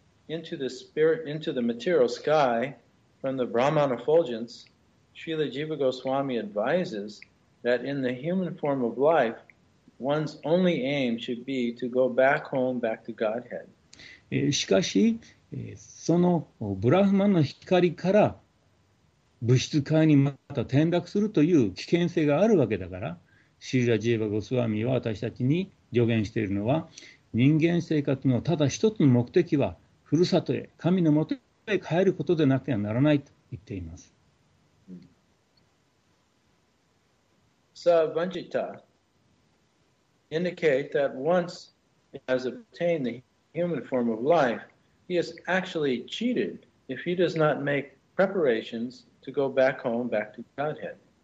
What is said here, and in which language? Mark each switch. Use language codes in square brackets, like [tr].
[en] Into the spirit, into the material sky, from the Brahman effulgence, Srila Jiva Goswami advises that in the human form of life, one's only aim should be to go back home, back to Godhead. [ja] しかし、そのブラフマンの光から物質界にまた転落するという危険性があるわけだから、シーラ・ジーバ・ゴスワミは私たちに助言しているのは、人間生活のただ一つの目的は、ふるさとへ、神のもとへ帰ることでなくてはならないと言っています。 [en] So, Vanjita indicate that once he has obtained the human form of life, he is actually cheated if he does not make preparations to go back home, back to Godhead.